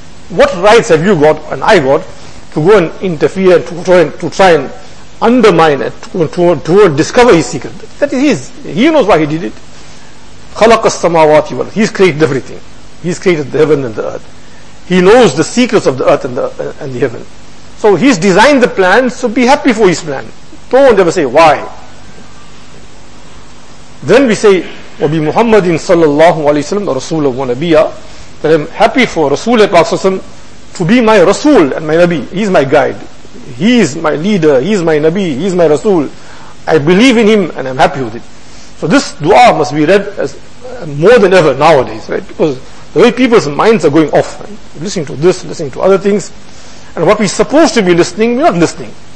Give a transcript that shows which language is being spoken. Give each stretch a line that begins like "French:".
English: What rights have you got and I got to go and interfere, to try and undermine it, to discover His secret? That is His. He knows why He did it.
Arabic: خَلَقَ السَّمَاوَاتِ وَالْأَرْضِ.
English: He's created everything. He's created the heaven and the earth. He knows the secrets of the earth and the heaven. So He's designed the plan, so be happy for His plan. Don't ever say, why? Then we say,
Arabic: وَبِي مُحَمَّدٍ صَلَّى اللَّهُ عَلَيْهِ وَسَلَّمَ رَسُولًا وَنَبِيًّا.
English: That I'm happy for Rasul to be my Rasul and my Nabi. He's my guide. He is my leader. He is my Nabi. He is my Rasul. I believe in Him and I'm happy with it. So this dua must be read as more than ever nowadays, right? Because the way people's minds are going off, right? Listening to this, listening to other things, and what we're supposed to be listening, we're not listening.